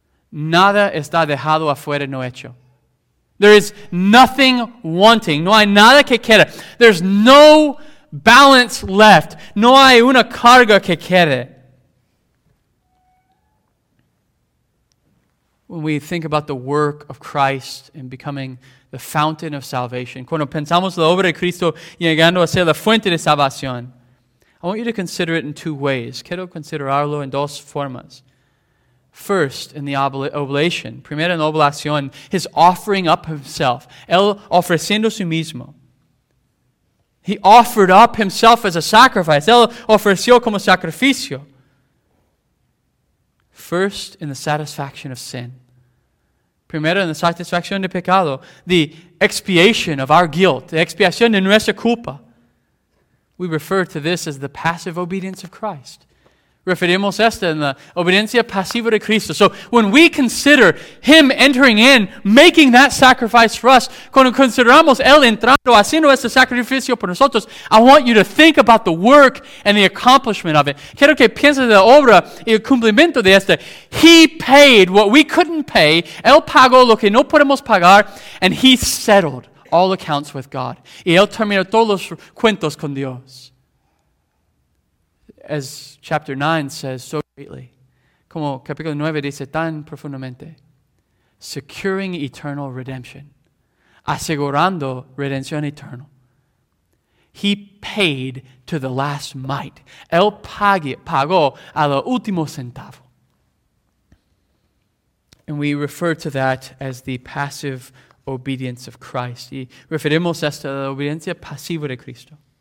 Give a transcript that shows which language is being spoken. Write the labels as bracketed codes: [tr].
[es] Nada está dejado afuera no hecho. [en] There is nothing wanting. [es] No hay nada que quede. [en] There's no balance left. [es] No hay una carga que quede. [en] when we think about the work of Christ in becoming the fountain of salvation, [es] cuando pensamos la obra de Cristo llegando a ser la fuente de salvación, [en] I want you to consider it in two ways. [es] Quiero considerarlo en dos formas. [en] First, in the oblation. [es] Primero en la oblación, [en] his offering up himself. [es] Él ofreciendo su mismo. [en] He offered up himself as a sacrifice. [es] Él ofreció como sacrificio. [en] First, in the satisfaction of sin. [es] Primero en la satisfacción de pecado. [en] The expiation of our guilt. [es] The expiación de nuestra culpa. [en] We refer to this as the passive obedience of Christ. [es] Referimos esta en la obediencia pasiva de Cristo. [en] So when we consider Him entering in, making that sacrifice for us, [es] cuando consideramos Él entrando, haciendo ese sacrificio por nosotros, [en] I want you to think about the work and the accomplishment of it. [es] Quiero que pienses en la obra y el cumplimiento de esta. [en] He paid what we couldn't pay. [es] Él pagó lo que no podemos pagar. [en] And He settled all accounts with God. [es] Y Él terminó todos los cuentos con Dios. [en] As chapter 9 says so greatly, [es] como capítulo 9 dice tan profundamente, [en] securing eternal redemption, [es] asegurando redención eterna. [en] He paid to the last mite. [es] Él pagó a lo último centavo. [en] And we refer to that as the passive obedience of Christ. [es] Y referimos esto a la obediencia pasiva de Cristo.